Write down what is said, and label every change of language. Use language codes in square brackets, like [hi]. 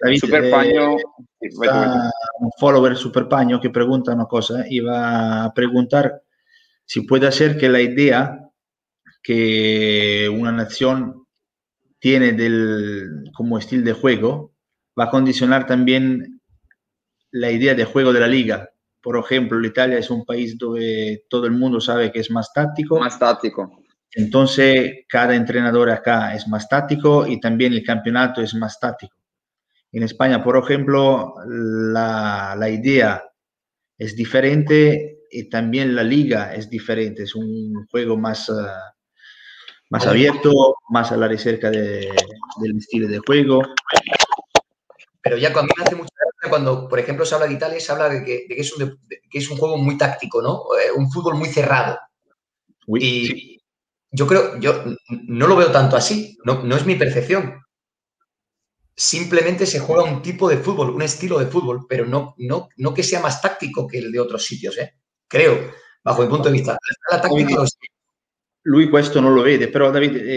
[it] Superpagno, un follower Superpagno che [es] pregunta una cosa, Iva a preguntar, [it] si può dire che la idea che una nazione tiene del come stile di gioco va a condizionare anche la idea del gioco della Liga. [es] Por ejemplo, l'Italia es un país donde todo el mundo sabe que es más táctico. Más táctico. Entonces, cada entrenador acá es más táctico y también el campeonato es más táctico. En España, por ejemplo, la idea es diferente y también la liga es diferente. Es un juego más abierto, más a la recerca del estilo de juego. Pero ya con mí hace mucho. Cuando, por ejemplo, se habla de Italia, se habla de que es un juego muy táctico, ¿no? Un fútbol muy cerrado. Uy, y sí. yo no lo veo tanto así, no es mi percepción. Simplemente se juega un tipo de fútbol, un estilo de fútbol, pero no que sea más táctico que el de otros sitios, ¿eh? Creo, bajo mi punto de vista. La táctica lo sé. [it] Lui questo non lo vede, pero David...